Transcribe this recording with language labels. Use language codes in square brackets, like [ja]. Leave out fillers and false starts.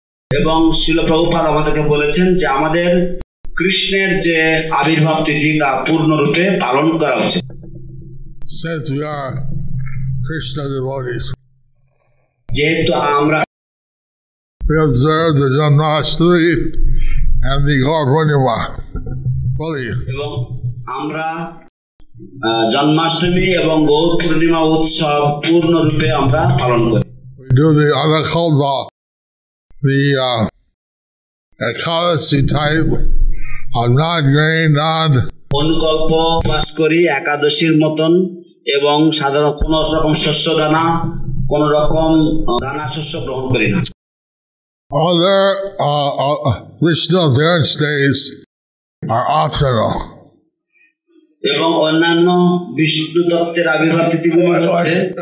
[bn] এবং শ্রীল প্রভুপাদ আমাদেরকে বলেছেন যে আমাদের কৃষ্ণের যে আবির্ভাব তিথি তা পূর্ণরূপে পালন করা উচিত. [en] Since we are Krishna devotees, [bn] যেহেতু আমরা [en] we observe the Janmashtami and the Gaurpurnima fully. [bn] এবং আমরা জন্মাষ্টমী এবং গৌর পূর্ণিমা উৎসব পূর্ণরূপে আমরা পালন করি. [en] We do the Anakalpa, the ekadasi type of non-grain, non- [bn] অনুকল্প উপবাস করি একাদশীর মতন এবং সাধারণ কোন রকম শস্য দানা কোন রকম দানা শস্য গ্রহণ করি না. [en] Other Krishna appearance days are optional. [bn] এবং অন্যান্য বিষ্ণু তত্ত্বের আবির্ভাব তিথি গুলো হচ্ছে